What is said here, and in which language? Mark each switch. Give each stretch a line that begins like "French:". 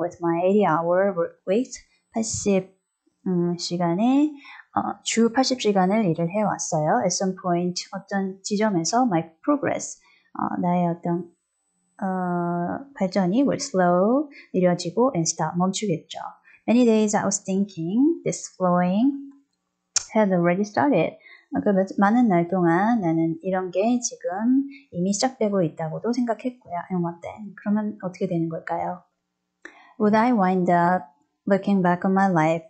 English: With my 80-hour work week,
Korean: 80, 시간에, 주 80시간을 일을 해왔어요.
English: At some point,
Korean: 어떤 지점에서
English: my progress,
Korean: 나의 어떤, 발전이
English: will slow,
Korean: 느려지고,
English: and stop,
Korean: 멈추겠죠.
English: Many days I was thinking, this flowing had already started.
Korean: 많은 날 동안 나는 이런 게 지금 이미 시작되고 있다고도 생각했고요.
English: And what then?
Korean: 그러면 어떻게 되는 걸까요?
English: Would I wind up looking back on my life?